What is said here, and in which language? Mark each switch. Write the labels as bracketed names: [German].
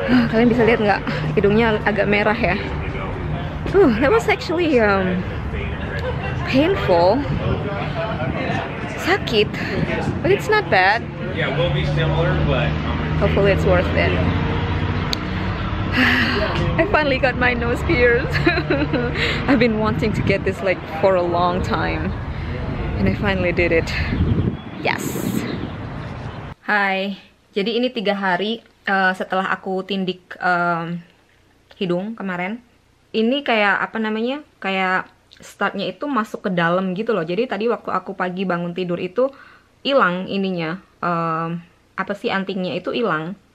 [Indonesian] Kalian bisa lihat nggak hidungnya agak merah ya. [English] That was actually painful, sakit, but it's not bad. Yeah, it will be similar, but hopefully it's worth it. I finally got my nose pierced. I've been wanting to get this like for a long time, and I finally did it. Yes. Hai. [Indonesian] Jadi ini 3 hari setelah aku tindik hidung kemarin. ini kayak apa namanya, kayak startnya itu masuk ke dalam gitu loh. Jadi tadi waktu aku pagi bangun tidur itu hilang ininya, apa sih, antingnya itu hilang.